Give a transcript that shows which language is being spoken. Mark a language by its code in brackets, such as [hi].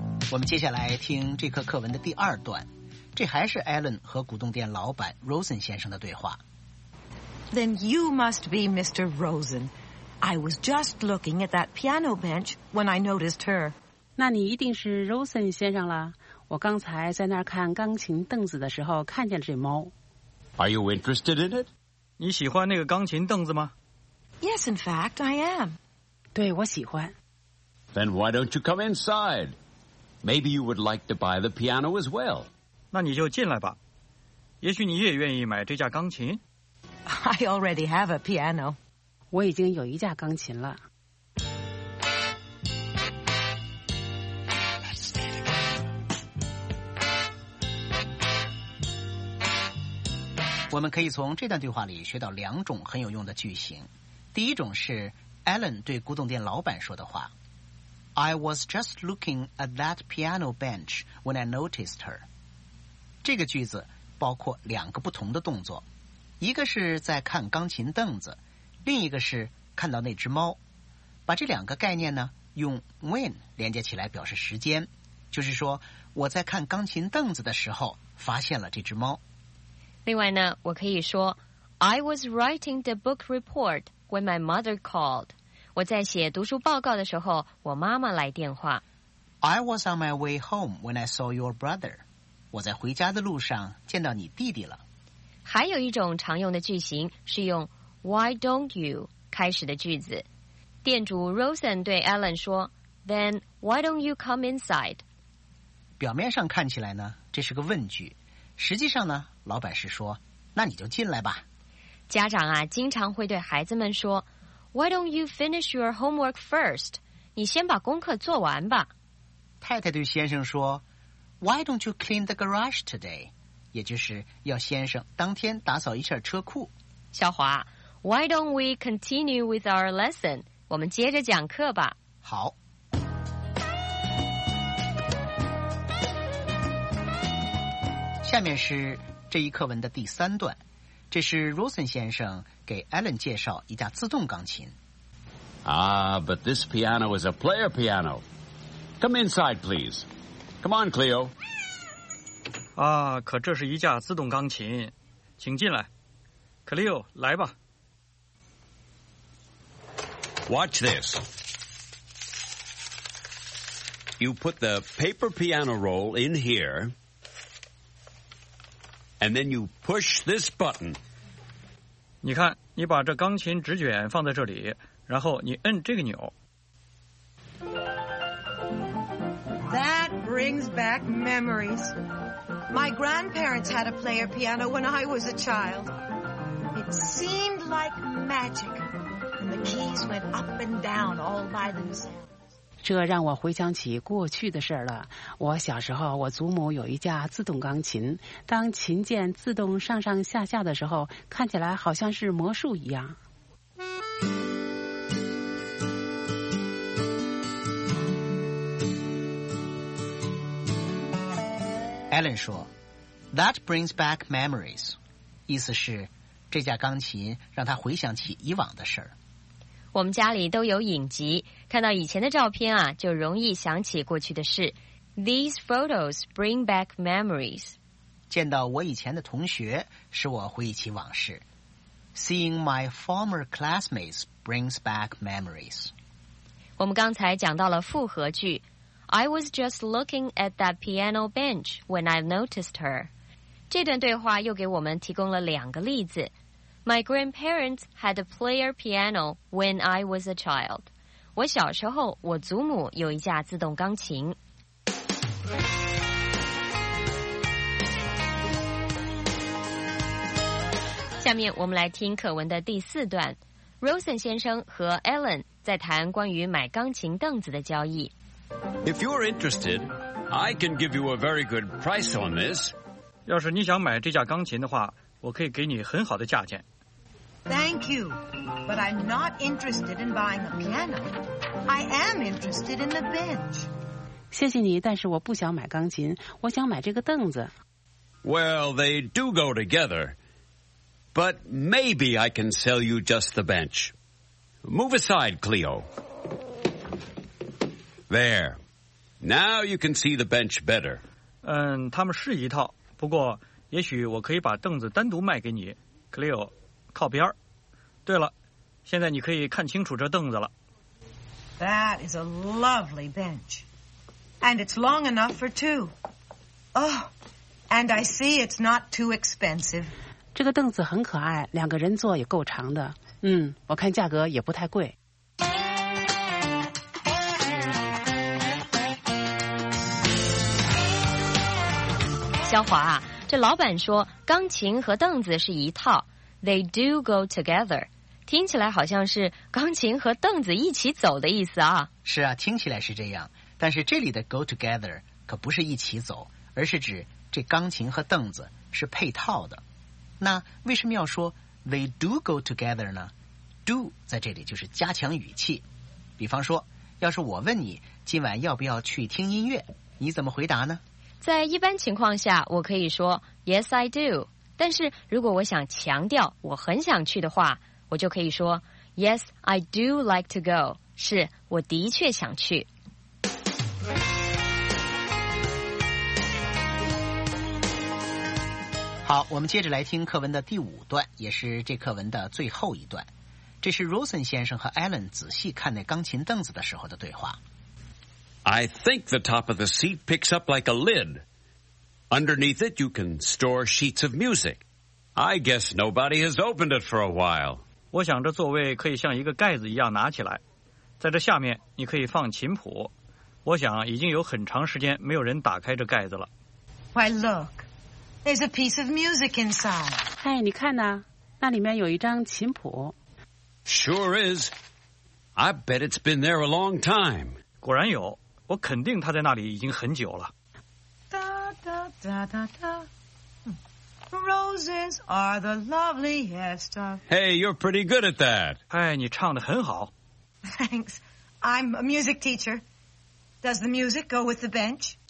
[zh] 我们接下来听这课课文的第二段。这还是 Alan 和古董店老板 Rosen 先生的对话。 [en] Then you must be Mr. Rosen. I was just looking at that piano bench when I noticed her. [zh] 那你一定是 Rosen 先生了。我刚才在那儿看钢琴凳子的时候看见了这猫。 [en] Are you interested in it? [zh] 你喜欢那个钢琴凳子吗？ [en] Yes, in fact, I am. [zh] 对，我喜欢。 [en] Then why don't you come inside? Maybe you would like to buy the piano as well. [zh] 那你就进来吧。也许你也愿意买这架钢琴。 [en] I already have a piano. [zh] 我已经有一架钢琴了。我们可以从这段对话里学到两种很有用的句型。第一种是 Alan 对古董店老板说的话。 [en] I was just looking at that piano bench when I noticed her. [zh] 这个句子包括两个不同的动作，一个是在看钢琴凳子，另一个是看到那只猫。把这两个概念呢，用 when 连接起来表示时间，就是说我在看钢琴凳子的时候发现了这只猫。另外呢，我可以说 [en] I was writing the book report when my mother called. [zh] 我在写读书报告的时候，我妈妈来电话。 [en] I was on my way home when I saw your brother. [zh] 我在回家的路上见到你弟弟了。还有一种常用的句型是用 [en] Why don't you [zh] 开始的句子。店主 Rosen 对 Alan 说 [en] Then why don't you come inside? [zh] 表面上看起来呢，这是个问句。实际上呢，老板是说那你就进来吧。家长啊，经常会对孩子们说 [en] Why don't you finish your homework first? [zh] 你先把功课做完吧。太太对先生说 [en] Why don't you clean the garage today? [zh] 也就是要先生当天打扫一下车库。 [en] 小华， Why don't we continue with our lesson? [zh] 我们接着讲课吧。好。下面是这一课文的第三段，这是 Rosen 先生给 Alan 介绍一架自动钢琴。 [en] Ah, but this piano is a player piano. Come inside, please. Come on, Cleo. [zh] 啊，可这是一架自动钢琴，请进来。 Cleo, 来吧。 [en] Watch this. You put the paper piano roll in here... And then you push this button. [zh] 你看，你把这钢琴纸卷放在这里，然后你摁这个钮。 [en] That brings back memories. My grandparents had a player piano when I was a child. It seemed like magic. The keys went up and down all by themselves. [zh] 这让我回想起过去的事了。我小时候，我祖母有一架自动钢琴，当琴键自动上上下下的时候，看起来好像是魔术一样。 Alan 说 [en] That brings back memories， [zh] 意思是这架钢琴让他回想起以往的事。我们家里都有影集，看到以前的照片啊，就容易想起过去的事。 [en] These photos bring back memories. [zh] 见到我以前的同学，使我回忆起往事。 [en] Seeing my former classmates brings back memories. [zh] 我们刚才讲到了复合句。 [en] I was just looking at that piano bench when I noticed her. [zh] 这段对话又给我们提供了两个例子。 [en] My grandparents had a player piano when I was a child. [zh] 我小时候，我祖母有一架自动钢琴。下面我们来听课文的第四段。Rosen 先生和 Alan 在谈关于买钢琴凳子的交易。 [en] If you're interested, I can give you a very good price on this. [zh] 要是你想买这架钢琴的话，我可以给你很好的价钱。 [en] Thank you, but I'm not interested in buying a piano. I am interested in the bench. [zh] 谢谢你，但是我不想买钢琴，我想买这个凳子。 [en] Well, they do go together, but maybe I can sell you just the bench. Move aside, Cleo. There. Now you can see the bench better. [zh] 嗯，他们是一套，不过也许我可以把凳子单独卖给你。 Cleo， 靠边。对了，现在你可以看清楚这凳子了。 [en] That is a lovely bench. And it's long enough for two. Oh, and I see it's not too expensive. [zh] 这个凳子很可爱，两个人坐也够长的。嗯，我看价格也不太贵。肖华啊，这老板说钢琴和凳子是一套， [en] They do go together， [zh] 听起来好像是钢琴和凳子一起走的意思啊。是啊，听起来是这样，但是这里的 [en] go together [zh] 可不是一起走，而是指这钢琴和凳子是配套的。那为什么要说 [en] They do go together [zh] 呢？ Do 在这里就是加强语气。比方说，要是我问你今晚要不要去听音乐，你怎么回答呢？在一般情况下我可以说 [en] Yes, I do， [zh] 但是如果我想强调我很想去的话，我就可以说 [en] Yes, I do like to go， [zh] 是我的确想去。好，我们接着来听课文的第五段，也是这课文的最后一段。这是 Rosen 先生和 Alan 仔细看那钢琴凳子的时候的对话。 [en] I think the top of the seat picks up like a lid. Underneath it, you can store sheets of music. I guess nobody has opened it for a while. [zh] 我想这座位可以像一个盖子一样拿起来，在这下面你可以放琴谱。我想已经有很长时间没有人打开这盖子了。 [en] Why look? There's a piece of music inside. [zh] 嘿，你看呐，那里面有一张琴谱。 [en] Sure is. I bet it's been there a long time. [zh] 果然有，我肯定他在那里已经很久了。 [en] 哒哒哒哒 ，Roses are the loveliest of. Hey, you're pretty good at that. [zh] 哎，你唱得很好。 [en] Thanks, I'm a music teacher. Does the music go with the bench?